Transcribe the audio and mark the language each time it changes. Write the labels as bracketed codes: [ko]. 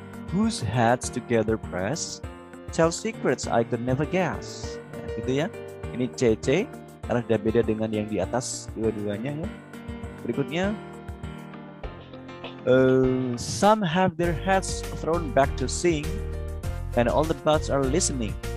[en] whose heads together press, tell secrets I could never guess. [id] Ya, gitu ya. Ini CC karena sudah beda dengan yang di atas dua-duanya ya. [en] Berikutnya, some have their heads thrown back to sing, and all the birds are listening.